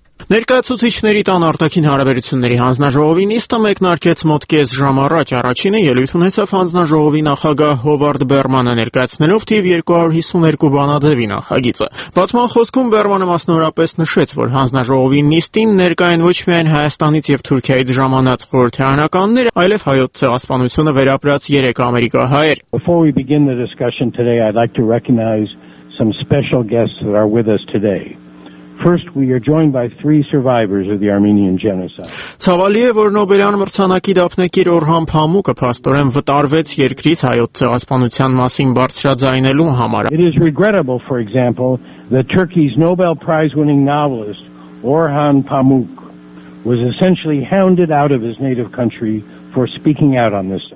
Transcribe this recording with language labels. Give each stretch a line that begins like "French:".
Armenian: Ներկայացուցիչների տան Արտաքին Հարաբերությունների Հանձնաժողովի նիստը մեկնարկեց մոտ կես ժամ առաջ, առաջինը ելույթ ունեցավ Հանձնաժողովի նախագահ Հովարդ Բերմանը, ներկայացնելով թիվ 252 բանաձևի նախագիծը։ Բացման խոսքում Բերմանը մասնավորապես նշեց, որ Հանձնաժողովի նիստին ներկա են ոչ միայն Հայաստանից և Թուրքիայից ժամանած խորհրդարանականներ, այլև հայոց ցեղասպանությունը վերապրած 3 ամերիկահայեր։
English: Before we begin the discussion today, I'd like to recognize some special guests that are with us today. First, we are joined by three survivors of the Armenian Genocide.
Armenian: Ցավալի է, որ Նոբելյան մրցանակի դափնեկիր Օրհան Փամուկը փաստորեն վտարվեց երկրից հայոց ցեղասպանության մասին բարձրաձայնելու համար.
English: It is regrettable, for example, that Turkey's Nobel Prize-winning novelist Orhan Pamuk was essentially hounded out of his native country for speaking out on this.